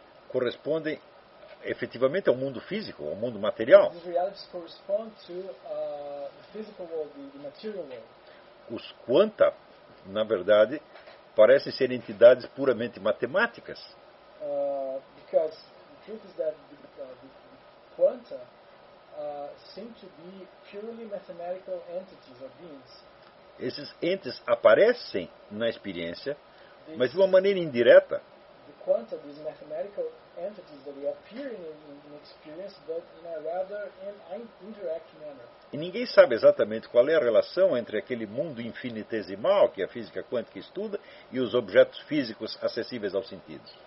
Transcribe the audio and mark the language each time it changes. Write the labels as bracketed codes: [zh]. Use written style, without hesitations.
[pt] correspondem efetivamente ao mundo físico, ao mundo material. [en] These realities correspond to the physical world, the material world. [pt] Os quanta, na verdade, parecem ser entidades puramente matemáticas. [en] Because the truth is that the quanta seem to be purely mathematical entities or beings. [pt] Esses entes aparecem na experiência, mas de uma maneira indireta. [en] The quanta, these mathematical entities that they appear in experience, but in a rather indirect manner. [pt] E ninguém sabe exatamente qual é a relação entre aquele mundo infinitesimal que a física quântica estuda e os objetos físicos acessíveis aos sentidos.